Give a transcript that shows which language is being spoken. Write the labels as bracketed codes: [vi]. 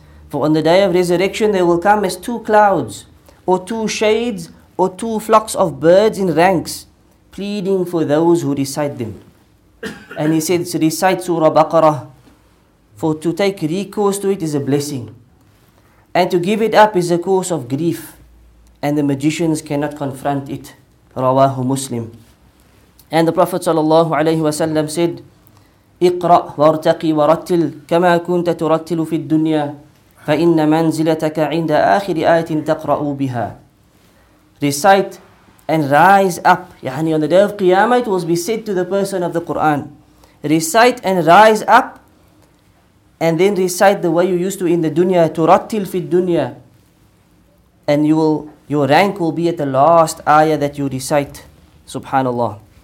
[en] For on the day of resurrection, they will come as two clouds, or two shades, or two flocks of birds in ranks, pleading for those who recite them. And he said, recite Surah Baqarah. For to take recourse to it is a blessing, and to give it up is a cause of grief, and the magicians cannot confront it. Rawahu Muslim. And the Prophet sallallahu alayhi wasallam said, [ar] اقرأ وارتقي ورتل كما كنت ترتل في الدنيا فإن منزلتك عند آخر آية تقرأ بها. [en] Recite and rise up. يعني on the day of Qiyamah, it was be said to the person of the Quran, recite and rise up. And then recite the way you used to in the dunya, turattil fi dunya, and you will, your rank will be at the last ayah that you recite. Subhanallah.